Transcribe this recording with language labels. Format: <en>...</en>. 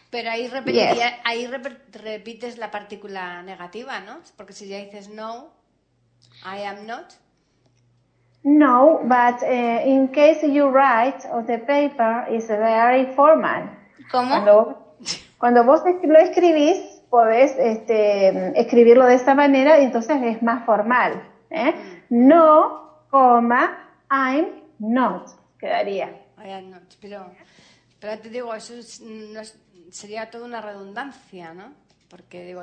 <es>Pero ahí, ahí repites la partícula negativa, ¿no? Porque si ya dices no,</es> <en>I am not. No, but in case you write on the paper, it's very formal.</en> <es>¿Cómo? Cuando vos lo escribís, podés escribirlo de esta manera y entonces es más formal. ¿Eh? No, coma,</es> <en>I'm not,</en> <es>quedaría.</es> <en>I am not,</en> <es>pero te digo, eso es, no es, sería toda una redundancia, ¿no? Porque digo,</es>